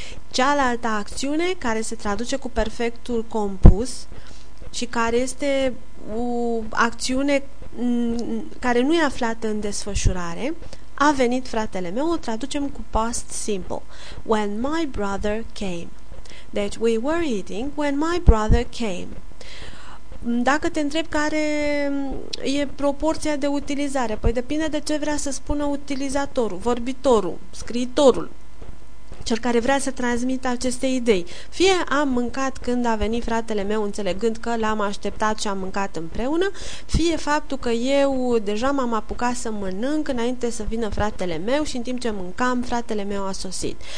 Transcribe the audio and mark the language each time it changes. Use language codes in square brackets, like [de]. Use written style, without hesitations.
[ro] Cealaltă acțiune care se traduce cu perfectul compus și care este o acțiune care nu e aflată în desfășurare, a venit fratele meu, o traducem cu past simple. [en] When my brother came. [ro] Deci, [en] we were eating when my brother came. [ro] Dacă te întreb care e proporția de utilizare, păi depinde de ce vrea să spună utilizatorul, vorbitorul, scriitorul, cel care vrea să transmită aceste idei. Fie am mâncat când a venit fratele meu, înțelegând că l-am așteptat și am mâncat împreună, fie faptul că eu deja m-am apucat să mănânc înainte să vină fratele meu și în timp ce mâncam, fratele meu a sosit.